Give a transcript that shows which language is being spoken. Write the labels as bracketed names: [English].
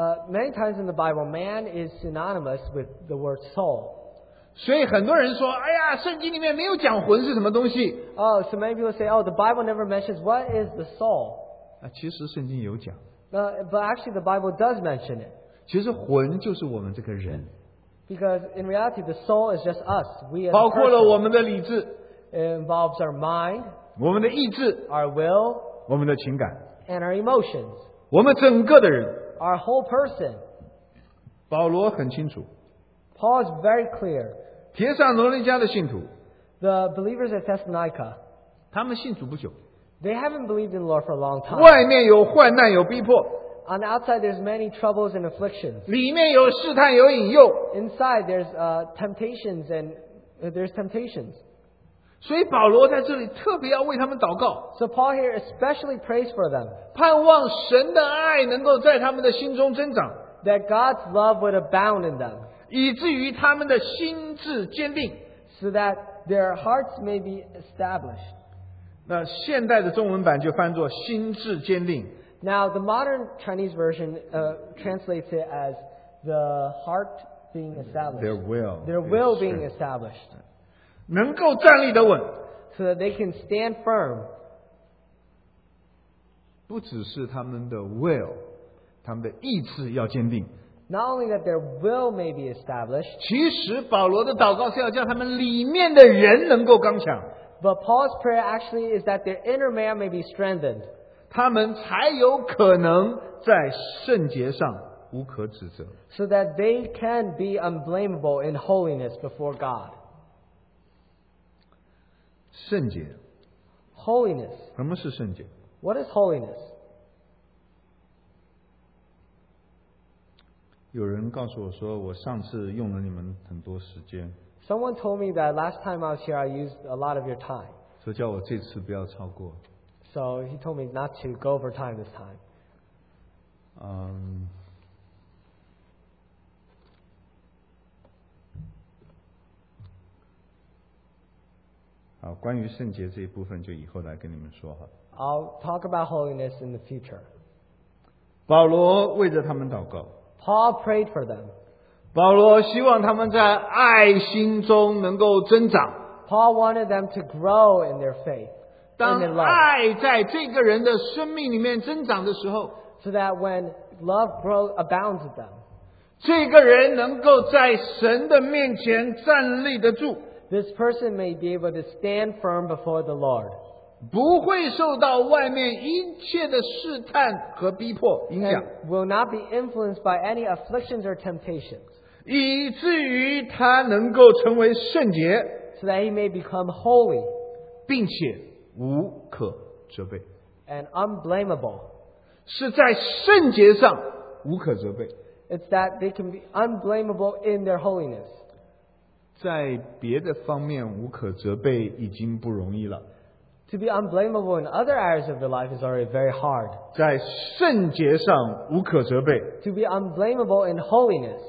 [English] many times in the Bible, man is synonymous with the word soul. [Chinese] 所以很多人说, 哎呀, 圣经里面没有讲魂是什么东西, [English] oh, so many people say, oh, the Bible never mentions what is the soul. [Chinese] 其实圣经有讲, [English] but actually the Bible does mention it. [Chinese] 其实魂就是我们这个人, [English] because in reality the soul is just us, we as [Chinese] 包括了我们的理智, [English] it involves our mind, [Chinese] 我们的意志, [English] our will, [Chinese] 我们的情感, [English] and our emotions, [Chinese] 我们整个的人, [English] our whole person. [Chinese] 保罗很清楚, [English] Paul is very clear, [Chinese] 帖撒罗尼迦的信徒, [English] the believers at Thessalonica, [Chinese] 他们信主不久, [English] they haven't believed in the Lord for a long time. [Chinese] 外面有患难有逼迫, [English] on the outside there's many troubles and afflictions. [Chinese] 里面有试探有引诱, [English] inside there's temptations and there's temptations. [Chinese] 所以保罗在这里特别要为他们祷告, [English] so Paul here especially prays for them, [Chinese] 盼望神的爱能够在他们的心中增长, [English] that God's love would abound in them, [Chinese] 以至于他们的心智坚定, [English] so that their hearts may be established. [Chinese] 那现代的中文版就翻作心智坚定, [English] now the modern Chinese version translates it as the heart being established, their will being established, [Chinese] 能够站立得稳, [English] so that they can stand firm. [Chinese] 不只是他们的will, 他们的意志要坚定, [English] not only that their will may be established, [Chinese] 其实保罗的祷告是要叫他们里面的人能够刚强, [English] but Paul's prayer actually is that their inner man may be strengthened, [Chinese] 他们才有可能在圣洁上无可指责, [English] so that they can be unblameable in holiness before God. [Chinese] 圣洁。 [English] Holiness. [Chinese] 什么是圣洁？ [English] What is holiness? [Chinese] 有人告诉我说，我上次用了你们很多时间。 [English] Someone told me that last time I was here, I used a lot of your time. [Chinese] 所以叫我这次不要超过。 [English] So he told me not to go over time this time. [Chinese] 好，关于圣洁这一部分就以后来跟你们说哈。 [English] I'll talk about holiness in the future. [Chinese] 保罗为着他们祷告。 [English] Paul prayed for them. [Chinese] 保罗希望他们在爱心中能够增长。 [English] Paul wanted them to grow in their faith. [Chinese] 当爱在这个人的生命里面增长的时候。 [English] So that when love grows abounds in them. [Chinese] 这个人能够在神的面前站立得住。 [English] This person may be able to stand firm before the Lord. [Chinese] 不会受到外面一切的试探和逼迫影响。 [English] Will not be influenced by any afflictions or temptations. [Chinese] 以至于他能够成为圣洁。 [English] So that he may become holy. [Chinese] 并且无可责备。 [English] And unblameable. [Chinese] 是在圣洁上无可责备。 [English] It's that they can be unblameable in their holiness. [Chinese] 在别的方面无可责备已经不容易了。 [English] To be unblameable in other areas of your life is already very hard. [Chinese] 在圣洁上无可责备。 [English] To be unblameable in holiness.